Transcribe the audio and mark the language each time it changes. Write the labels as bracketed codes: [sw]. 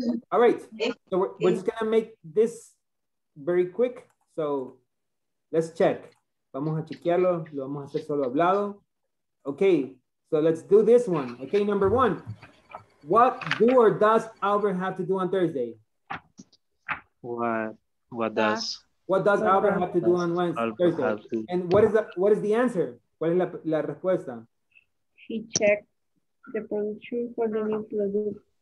[en] All right, so we're just gonna make this very quick. So let's check. [es] Vamos a chequearlo, lo vamos a hacer solo hablado. [en] Okay, so let's do this one. Okay, number one. What do or does Albert have to do on Thursday? What does? What does Albert have to do on Wednesday? And what is the answer? [es] ¿Cuál es la respuesta? [en] He checked the production for the new product.